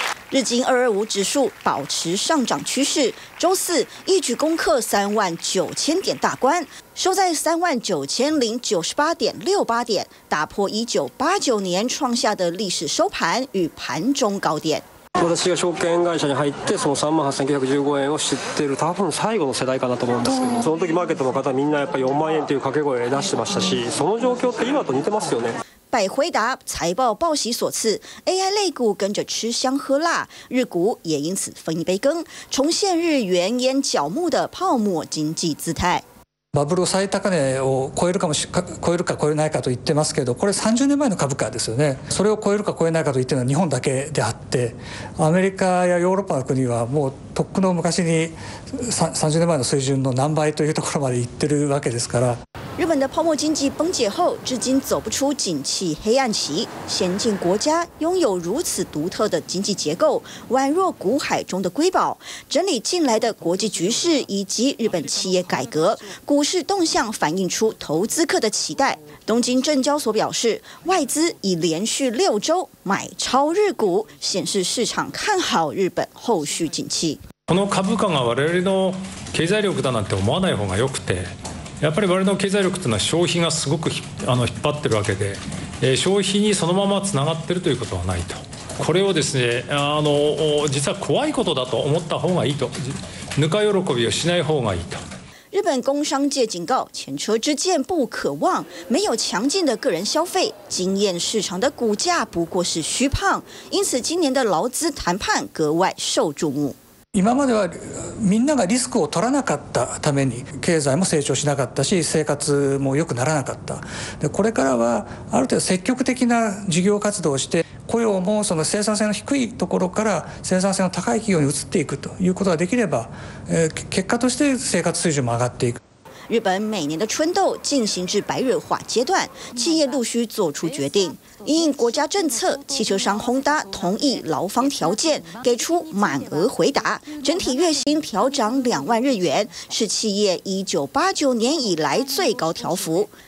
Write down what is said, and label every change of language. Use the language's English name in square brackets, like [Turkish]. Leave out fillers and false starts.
[Chinese] 日经225指数保持上涨趋势，周四一举攻克39,000点大关，收在39,098.68点，打破1989年创下的历史收盘与盘中高点。 [Japanese] 私が証券会社に入ってその38,915円を知ってる多分最後の世代かなと思うんですけど、その時マーケットの方みんなやっぱ40,000円という掛け声を出してましたし、その状況って今と似てますよね。 [Chinese] 拜辉达财报报喜所赐 ，AI 类股跟着吃香喝辣，日股也因此分一杯羹，重现日元烟角木的泡沫经济姿态。 [Japanese] バブル最高値を超えるかもし超えるか超えないかと言ってますけど、これ30年前の株価ですよね。それを超えるか超えないかと言ってるのは日本だけであって、アメリカやヨーロッパの国はもうとっくの昔に30年前の水準の何倍というところまで行ってるわけですから。 [Chinese] 日本的泡沫经济崩解后，至今走不出景气黑暗期。先进国家拥有如此独特的经济结构，宛若古海中的瑰宝。整理近来的国际局势以及日本企业改革，股市动向反映出投资客的期待。东京证交所表示，外资已连续6周买超日股，显示市场看好日本后续景气。 [Japanese] この株価が我々の経済力だなんて思わない方がよくて。やっぱり我々の経済力というのは消費がすごく引っ張っているわけで、消費にそのままつながっているということはないと、これをですね、実は怖いことだと思った方がいいと、ぬか喜びをしない方がいいと。 [Chinese] 日本工商界警告，前车之鉴不可忘，没有强劲的个人消费，经验市场的股价不过是虚胖，因此今年的劳资谈判格外受注目。 [Japanese] 今まではみんながリスクを取らなかったために経済も成長しなかったし生活も良くならなかった。でこれからはある程度積極的な事業活動をして雇用もその生産性の低いところから生産性の高い企業に移っていくということができれば、結果として生活水準も上がっていく。 [Chinese] 日本每年的春闘进行至白热化阶段，企业陆续做出决定。因应国家政策，汽车商 Honda 同意劳方条件，给出满额回答，整体月薪调涨20,000日元，是企业1989年以来最高调幅。